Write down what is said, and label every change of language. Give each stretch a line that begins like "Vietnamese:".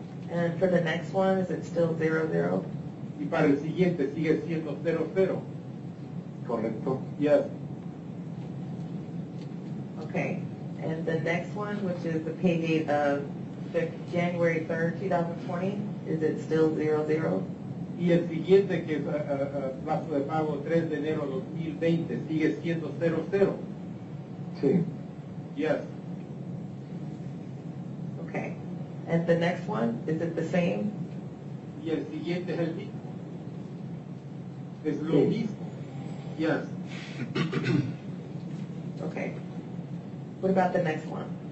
English: And for the next one, is it still 0-0?
Spanish: Y para el siguiente sigue siendo 0-0. Correcto.
English: Yes. Okay, and the next one, which is the pay date of January 3rd, 2020, is it still 0-0?
Spanish: Y el siguiente, que es plazo de pago 3 de enero 2020, sigue siendo 0-0. Sí.
English: Yes. Okay. And the next one, is it the same?
Spanish: Y el siguiente es el mismo. Es lo mismo.
English: Yes. Okay. What about the next one?